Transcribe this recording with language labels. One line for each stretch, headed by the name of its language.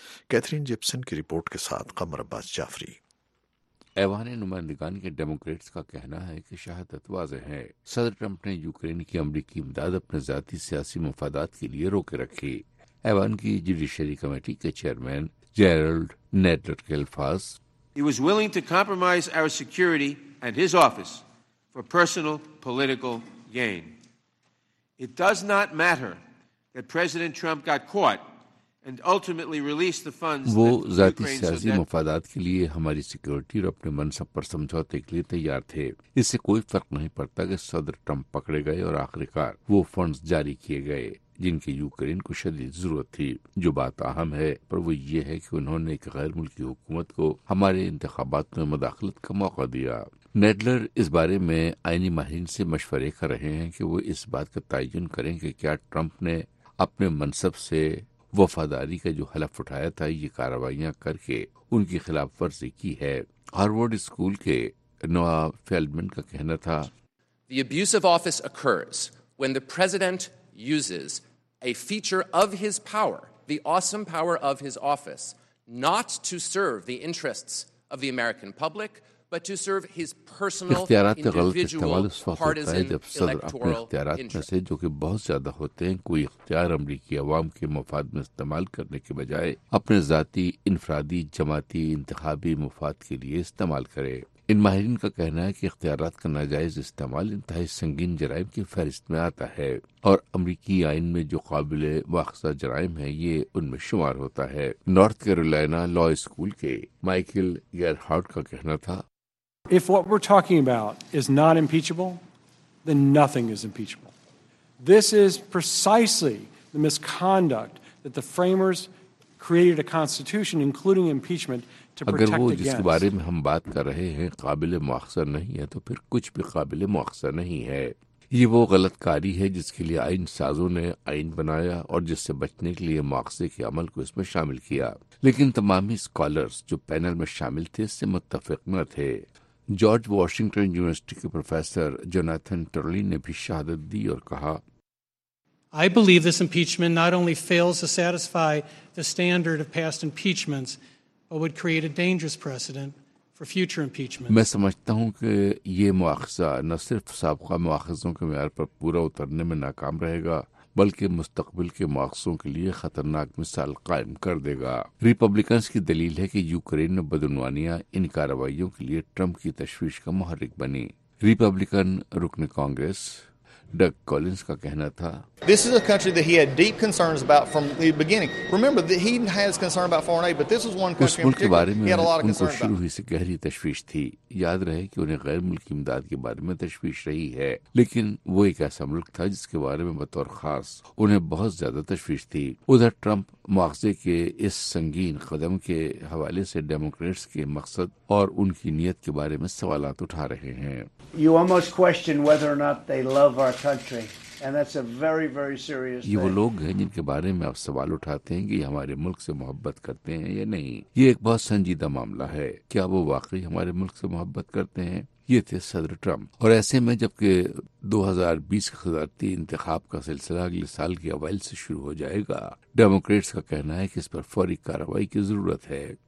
Urdu: Catherine جپسن کی report کے ساتھ قمر عباس جعفری. ایوان نمائندگان کے ڈیموکریٹس کا کہنا ہے کہ شہادت واضح ہے. صدر ٹرمپ نے یوکرین کی امریکی امداد اپنے ذاتی سیاسی مفادات کے لیے روکے رکھی. ایوان کی جوڈیشری کمیٹی کے چیئرمین جیرلڈ نیڈلر کے الفاظ,
English: He was willing to compromise our security and his office for personal political gain. It does not matter that President Trump got caught and ultimately released the funds.
Urdu: وہ ذاتی سیاسی مفادات کے لیے ہماری سیکورٹی اور اپنے منصب پر سمجھوتے کے لیے تیار تھے. اس سے کوئی فرق نہیں پڑتا کہ صدر ٹرمپ پکڑے گئے اور آخر کار وہ فنڈز جاری کیے گئے جن کی یوکرین کو شدید ضرورت تھی. جو بات اہم ہے پر وہ یہ ہے کہ انہوں نے ایک غیر ملکی حکومت کو ہمارے انتخابات میں مداخلت کا موقع دیا. نیڈلر اس بارے میں آئینی ماہرین سے مشورے کر رہے ہیں کہ وہ اس بات کا تعین کریں کہ کیا ٹرمپ نے اپنے منصب سے وفاداری کا جو حلف اٹھایا تھا یہ کارروائیاں کر کے ان کی خلاف ورزی کی ہے. ہارورڈ اسکول کے نوا فیلڈمن کا کہنا تھا,
English: The abuse of office occurs when the president uses a feature of his power, the awesome power of his office, not to serve the interests of the American public, but to serve his personal,
Urdu: اختیارات کا غلط استعمال اس وقت ہوتا ہے جب صدر اپنے اختیارات میں سے جو کہ بہت زیادہ ہوتے ہیں کوئی اختیار امریکی عوام کے مفاد میں استعمال کرنے کے بجائے اپنے ذاتی انفرادی جماعتی انتخابی مفاد کے لیے استعمال کرے. ان ماہرین کا کہنا ہے کہ اختیارات کا ناجائز استعمال انتہائی سنگین جرائم کی فہرست میں آتا ہے اور امریکی آئین میں جو قابل مؤاخذہ جرائم ہیں یہ ان میں شمار ہوتا ہے. نارتھ کیرولینا لا اسکول کے مائیکل گیرہارٹ کا کہنا تھا,
English: If what we're talking about is not impeachable, then nothing is impeachable. This is precisely the misconduct that the framers created a constitution, including impeachment,
Urdu: اگر وہ جس کے بارے میں ہم بات کر رہے ہیں قابل مؤاخذہ نہیں ہے تو پھر کچھ بھی قابل مؤاخذہ نہیں ہے. یہ وہ غلط کاری ہے جس کے لیے آئین سازوں نے آئین بنایا اور جس سے بچنے کے لیے مؤاخذے کے عمل کو اس میں شامل کیا, لیکن تمام ہی اسکالرس جو پینل میں شامل تھے اس سے متفق نہ تھے. جارج واشنگٹن یونیورسٹی کے پروفیسر جوناتھن ٹرلی نے بھی شہادت دی اور کہا,
English: I believe this impeachment not only fails to satisfy the standard of past impeachments, but would create a dangerous precedent for future impeachment.
Urdu: میں سمجھتا ہوں کہ یہ مؤاخذہ نہ صرف سابقہ مؤاخذوں کے معیار پر پورا اترنے میں ناکام رہے گا بلکہ مستقبل کے مؤاخذوں کے لیے خطرناک مثال قائم کر دے گا. ریپبلیکنز کی دلیل ہے کہ یوکرین میں بدعنوانیاں ان کارروائیوں کے لیے ٹرمپ کی تشویش کا محرک بنی. ریپبلیکن رکن کانگریس ڈگ کولنز کا کہنا تھا,
English: This is a country that he had deep concerns about from the beginning. Remember that he has concern about foreign aid, but this is one country
Urdu: ملک کے بارے میں ان کو شروع ہی سے گہری تشویش تھی. یاد رہے کہ انہیں غیر ملکی امداد کے بارے میں تشویش رہی ہے, لیکن وہ ایک ایسا ملک تھا جس کے بارے میں بطور خاص انہیں بہت زیادہ تشویش تھی. ادھر ٹرمپ مواخذے کے اس سنگین قدم کے حوالے سے ڈیموکریٹس کے مقصد اور ان کی نیت کے بارے میں سوالات اٹھا رہے ہیں.
English: You almost question whether or not they love our country. And that's a very, very serious thing.
Urdu: یہ وہ لوگ ہیں جن کے بارے میں آپ سوال اٹھاتے ہیں کہ یہ ہمارے ملک سے محبت کرتے ہیں یا نہیں. یہ ایک بہت سنجیدہ معاملہ ہے, کیا وہ واقعی ہمارے ملک سے محبت کرتے ہیں؟ یہ تھے صدر ٹرمپ. اور ایسے میں جبکہ 2020 کے صدارتی انتخاب کا سلسلہ اگلے سال کے اوائل سے شروع ہو جائے گا, ڈیموکریٹس کا کہنا ہے کہ اس پر فوری کارروائی کی ضرورت ہے.